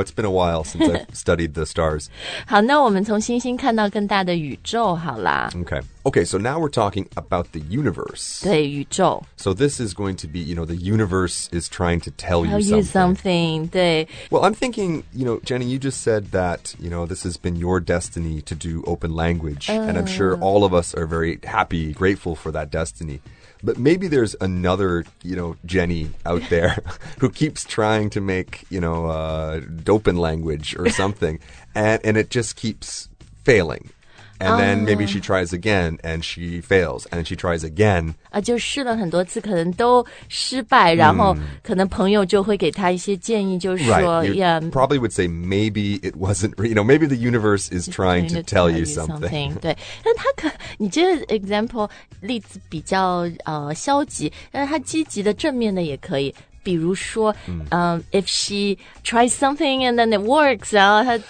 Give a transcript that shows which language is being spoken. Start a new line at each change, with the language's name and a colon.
English: It's been a while since I've studied the stars.
Chinese: 好那我们从星星看到更大的宇宙好啦
English: Okay, so now we're talking about the universe.
Chinese: 对宇宙
English: So this is going to be, you know, the universe is trying to tell you something.
Chinese: 对
English: Well, I'm thinking, you know, Jenny, you just said that, you know, this has been your destiny to do open language.、And I'm sure all of us are very happy, grateful for that destiny. But maybe there's another, you know, Jenny out there who keeps trying to make, you know, dopen language or something, and it just keeps failing. And then maybe she tries again, and she fails, and she tries again.
Chinese: 就试了很多次，可能都失败，然后可能朋友就会给她一些建议，就是说
English: right, you yeah. probably would say maybe it wasn't, you know, maybe the universe is trying to tell you something.
Chinese: 对，但她可，你这个 example 例子比较消极，但是她积极的正面的也可以。比如说、
English: if she tries something and then it works,
Chinese: 然后她